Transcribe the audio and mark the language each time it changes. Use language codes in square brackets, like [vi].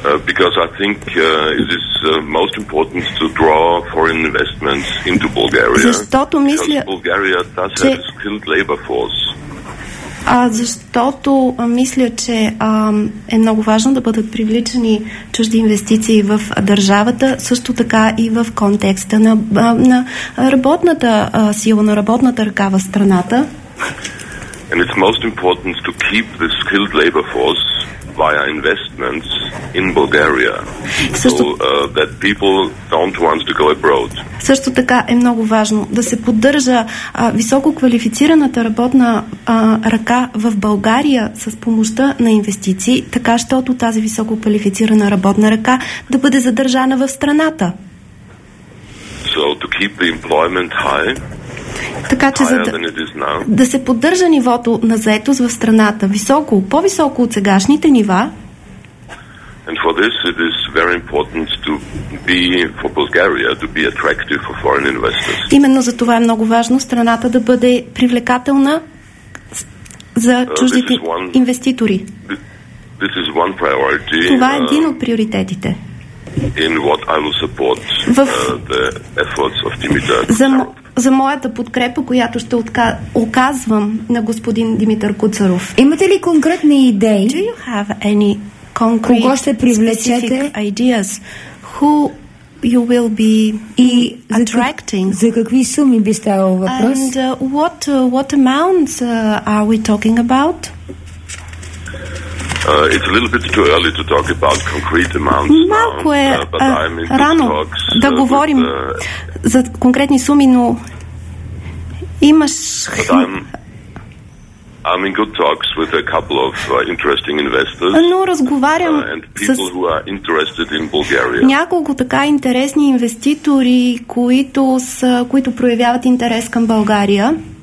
[en] Because I think it is most important to draw foreign investments into Bulgaria. [bg] Защото мисля, [en] because Bulgaria does have a skilled labor force. [bg] Защото мисля, че е много важно да бъдат привличани чужди инвестиции в държавата, също така и в контекста на работната сила, на работната ръка в страната. [en] And it's most important to keep the skilled labor force via investments in Bulgaria. That people don't want to go abroad. [bg] Също така е много важно да се поддържа високо квалифицираната работна ръка в България с помощта на инвестиции, така щото тази високо квалифицирана работна ръка да бъде задържана в страната. [en] So to keep the employment high. [bg] Така че да се поддържа нивото на заетост в страната високо, по-високо от сегашните нива. [en] And for this it is very important to be for Bulgaria to be attractive for foreign investors. [bg] Именно за това е много важно страната да бъде привлекателна за чуждите инвеститори. [en] This is one priority. [bg] Това е един от приоритетите. [en] In what I will support the efforts of Dimitar Kucarov. [bg] За моята подкрепа, която ще оказвам на господин Димитър Куцаров. Имате ли конкретни идеи? [en] Do you have any concrete, [bg] кого ще привлечете? [en] Ideas? Who you will be attracting? [bg] За какви суми би ставало въпрос? [en] And what amounts are we talking about? It's a little bit too early to talk about concrete amounts. [bg] Малко е рано [en] talks, [bg] да говорим за конкретни суми, но имаш. [en] I'm in good talks with a couple of interesting investors. [bg] Но разговарям [en] с who are interested in Bulgaria. [bg] Няколко така интересни инвеститори, които проявяват интерес към България.